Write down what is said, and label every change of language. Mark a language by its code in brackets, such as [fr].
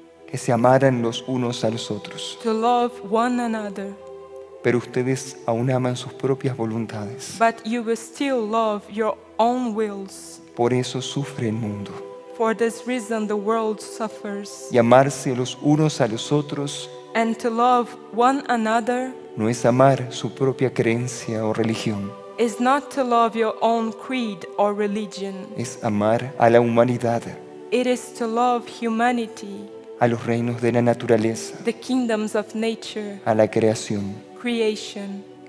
[es] Que se amaran los unos a los otros. [en] To love one another. [es] Pero ustedes aún aman sus propias voluntades. [en] But you will still love your own wills. [es] Por eso sufre el mundo. [en] For this reason the world suffers. [es] Y amarse los unos a los otros. [en] And to love one another. [es] No es amar su propia creencia o religión. [en] Is not to love your own creed or religion. [es] Es amar a la humanidad. [en] It is to love humanity. [es] A los reinos de la naturaleza. [en] The kingdoms of nature. [es] A la creación. [en] Creation.